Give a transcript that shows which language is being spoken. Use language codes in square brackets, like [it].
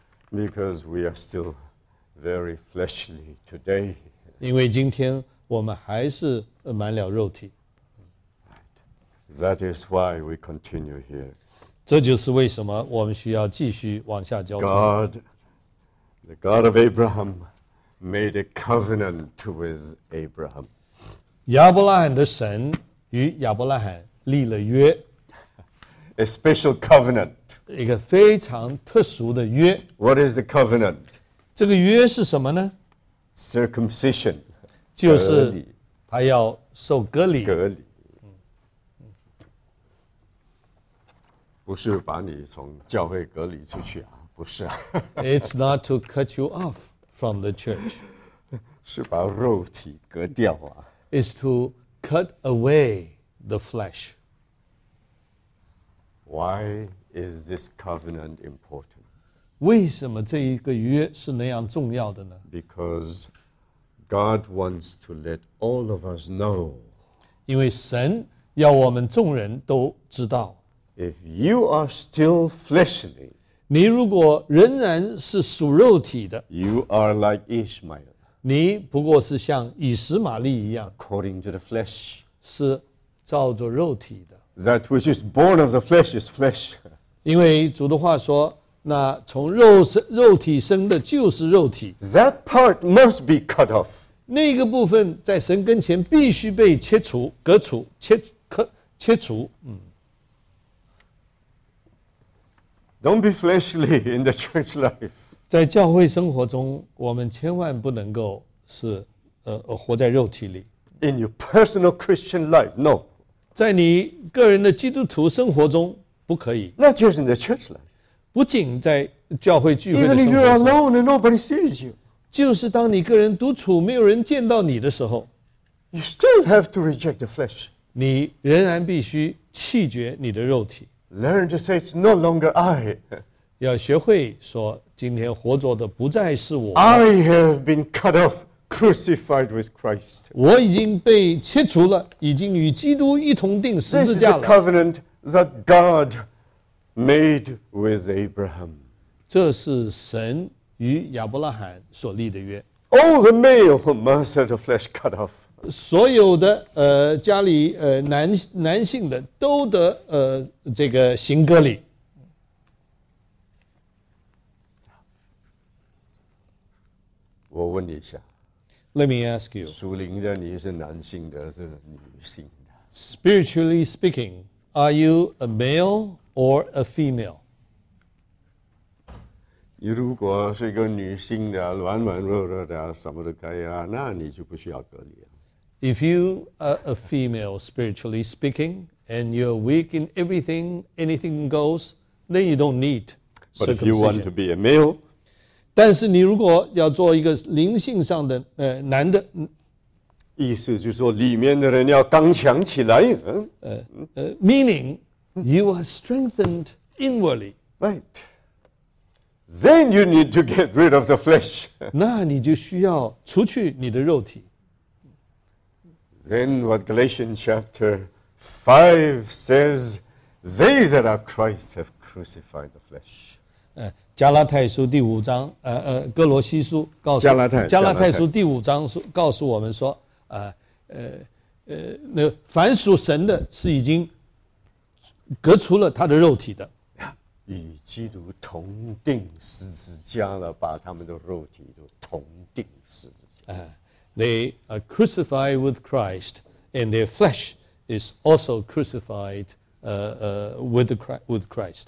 [en] Because we are still very fleshly today. [zh] 因为今天我们还是满了肉体。 [en] That is why we continue here. [zh] 这就是为什么我们需要继续往下交通。 [en] God, the God of Abraham, made a covenant with Abraham. [zh] 亚伯拉罕的神与亚伯拉罕立了约。 [en] A special covenant. [zh] 一个非常特殊的约。 [en] What is the covenant? [zh] 这个约是什么呢？ [en] Circumcision. [zh] 就是他要受割礼。割礼。不是把你从教会隔离出去啊，不是啊。 [en] It's not to cut you off from the church. [zh] 是把肉体割掉啊。 [en] It's to cut away the flesh. Why is this covenant important? [zh] 为什么这一个约是那样重要的呢？ [en] Because God wants to let all of us know. [zh] 因为神要我们众人都知道。 [en] If you are still fleshly, [zh] 你如果仍然是属肉体的， [en] you are like Ishmael. [zh] 你不过是像以实玛利一样， [en] according to the flesh, [zh] 是照着肉体的。 [en] That which is born of the flesh is flesh. [zh] 因为主的话说，那从肉身肉体生的就是肉体。 [en] That part must be cut off. [zh] 那个部分在神跟前必须被切除、割除、切除。 [en] Don't be fleshly in the church life. [zh] 在教会生活中，我们千万不能够是活在肉体里。 [en] In your personal Christian life, no. [zh] 在你个人的基督徒生活中，不可以。 [en] Not just in the church life. [zh] 不仅在教会聚会的生活中。 [en] Even if you're alone and nobody sees you. [zh] 就是当你个人独处，没有人见到你的时候。 [en] You still have to reject the flesh. [zh] 你仍然必须弃绝你的肉体。 [en] Learn to say it's no longer I. [zh] 要学会说今天活着的不再是我。 [en] I have been cut off, crucified with Christ. [zh] 我已经被切除了，已经与基督一同钉十字架了。 [en] This is the covenant that God made with Abraham. [zh] 这是神与亚伯拉罕所立的约。 [en] All the male must have the flesh cut off. [zh] 所有的家里男性的都得这个行割礼。我问你一下。 [en] Let me ask you. [zh] 属灵的你是男性的是女性的。 [en] Spiritually speaking, are you a male or a female? [zh] 你如果是个女性的软软弱弱的什么都可以啊，那你就不需要割礼了。 [en] If you are a female, spiritually speaking, and you're weak in everything, anything goes, then you don't need circumcision. But if you want to be a male, [zh] 但是你如果要做一个灵性上的男的，意思就是说里面的人要刚强起来。 [en] Meaning you are strengthened inwardly. Right. Then you need to get rid of the flesh. [zh] 那你就需要除去你的肉体。 [en] Then what Galatians chapter 5 says, they that are Christ have crucified the flesh. [zh] 加拉太书第五章哥罗西书告诉加拉太书第五章告诉我们说那凡属神的是已经隔除了他的肉体的。与基督同定十字架了，把他们的肉体都同定十字架。 [en] They are crucified with Christ, and their flesh is also crucified with Christ.